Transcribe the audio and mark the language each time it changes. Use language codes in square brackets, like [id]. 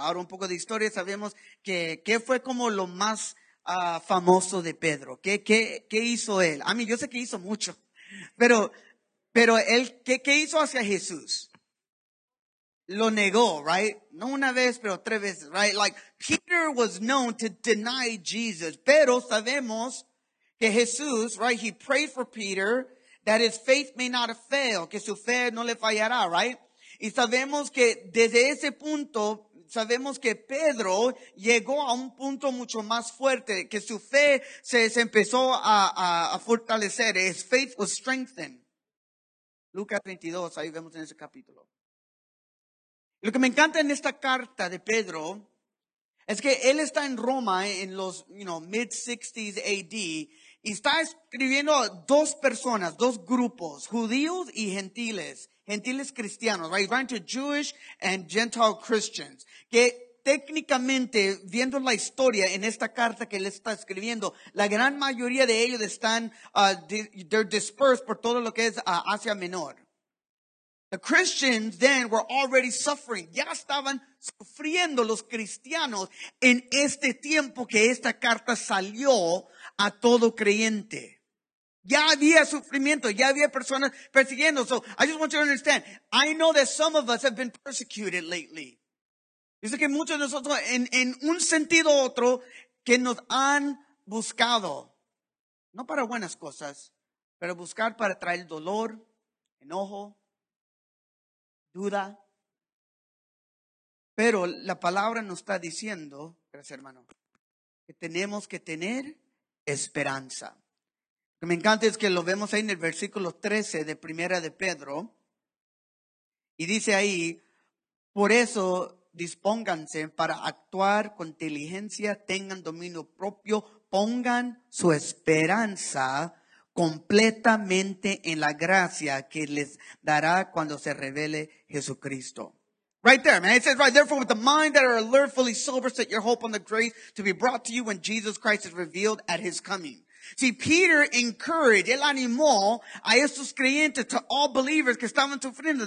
[es] Ahora, un poco de historia, sabemos que qué fue como lo más famoso de Pedro. ¿Qué hizo él? A mí, yo sé que hizo mucho, pero él, ¿qué hizo hacia Jesús? Lo negó, [en] right? [es] No una vez, pero tres veces, right? [en] Like, Peter was known to deny Jesus. [es] Pero sabemos que Jesús, [en] right? He prayed for Peter that his faith may not fail. [es] Que su fe no le fallará, [en] right? [es] Y sabemos que desde ese punto, sabemos que Pedro llegó a un punto mucho más fuerte. Que su fe se empezó a fortalecer. [en] His faith was strengthened. [es] Lucas 22, ahí vemos en ese capítulo. Lo que me encanta en esta carta de Pedro es que él está en Roma en los, [en] you know, mid-60s AD [es] y está escribiendo a dos personas, dos grupos, judíos y gentiles cristianos, [en] right? He's writing to Jewish and Gentile Christians, [es] que técnicamente, viendo la historia en esta carta que él está escribiendo, la gran mayoría de ellos están, [en] they're dispersed [es] por todo lo que es Asia Menor. [en] The Christians then were already suffering. [es] Ya estaban sufriendo los cristianos en este tiempo que esta carta salió a todo creyente. Ya había sufrimiento, ya había personas persiguiendo. [en] So I just want you to understand. I know that some of us have been persecuted lately. [es] Dice que muchos de nosotros en un sentido u otro que nos han buscado. No para buenas cosas, pero buscar para traer dolor, enojo. Duda, pero la palabra nos está diciendo, gracias hermano, que tenemos que tener esperanza. Lo que me encanta es que lo vemos ahí en el versículo 13 de primera de Pedro, y dice ahí, por eso dispónganse para actuar con diligencia, tengan dominio propio, pongan su esperanza completamente en la gracia que les dará cuando se revele Jesucristo. [en] Right there, man. It says, right, therefore, with the mind that are alert, fully sober, set your hope on the grace to be brought to you when Jesus Christ is revealed at his coming. See, Peter encouraged, [es] él animó a estos creyentes, [en] to all believers [es] que estaban sufriendo.